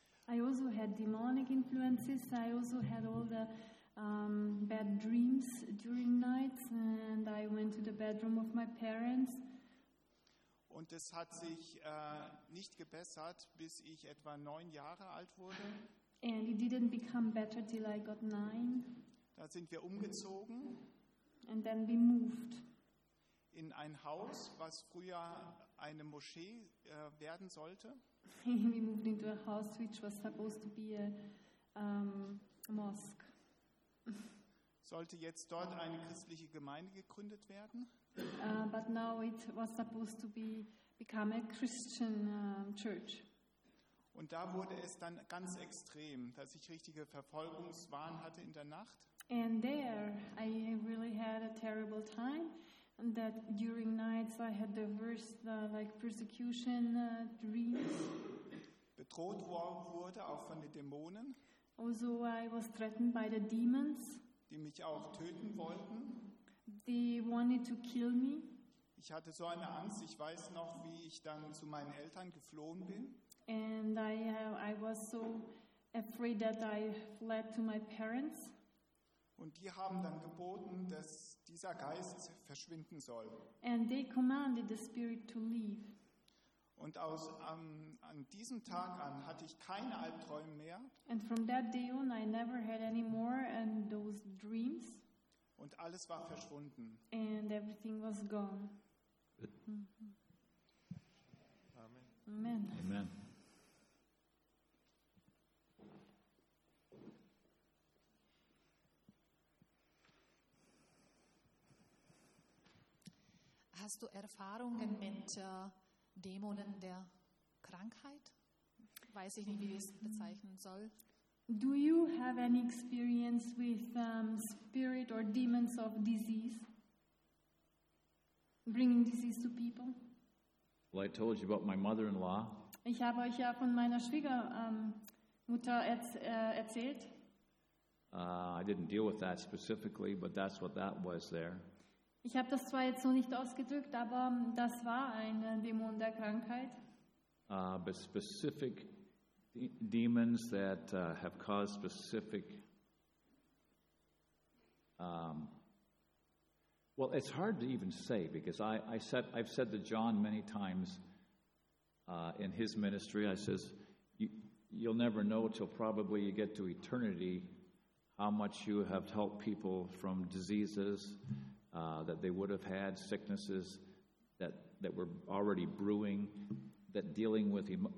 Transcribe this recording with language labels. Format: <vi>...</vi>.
<en>I also had demonic influences, I also had all the bad dreams during nights and I went to the bedroom of my parents.</en> <de>Und es hat sich nicht gebessert, bis ich etwa 9 Jahre alt wurde.</de> <en>And it didn't become better till I got 9.</en> <de>Da sind wir umgezogen.</de> <en>And then we moved.</en> <de>In ein Haus, was früher eine Moschee werden sollte.</de> <en>We moved into a house which was supposed to be a mosque.</en> <de>Sollte jetzt dort eine christliche Gemeinde gegründet werden?</de> <en>But now it was supposed to become a Christian church.</en> <de>Und da wurde es dann ganz extrem, dass ich richtige Verfolgungswahn hatte in der Nacht.</de> <en>And there I really had a terrible time, and that during nights I had the worst like persecution dreams.</en> <de>Bedroht wurde auch von den Dämonen.</de> <en>Also I was threatened by the demons.</en> <de>Die mich auch töten wollten.</de> <en>They wanted to kill me.</en> <de>Ich hatte so eine Angst. Ich weiß noch, wie ich dann zu meinen Eltern geflohen bin.</de> <en>And I was so afraid that I fled to my parents.</en> <de>Und die haben dann geboten, dass dieser Geist verschwinden soll.</de> <en>And they commanded the spirit to leave.</en> <de>Und aus an diesem Tag an hatte ich keine Albträume mehr.</de> <en>And from that day on, I never had any more and those dreams.</en> <de>Und alles war verschwunden.</de> <en>And everything was gone. Amen. Amen. Amen.</en> <de>Hast du Erfahrungen mit Dämonen der Krankheit? Weiß ich nicht, wie ich es bezeichnen soll.</de> <en>Do you have any experience with spirit or demons of disease? Bringing disease to people? Well, I told you about my mother-in-law.</en> <de>Ich habe euch ja von meiner Schwiegermutter erzählt.</de> <en>I didn't deal with that specifically, but that's what that was there.</en> <de>Ich habe das zwar jetzt so nicht ausgedrückt, aber das war ein Dämon der Krankheit.</de> <en>But specific demons that have caused specific well, it's hard to even say because I've said to John many times in his ministry, I says you'll never know till probably you get to eternity how much you have helped people from diseases that they would have had, sicknesses that were already brewing, that dealing with</en>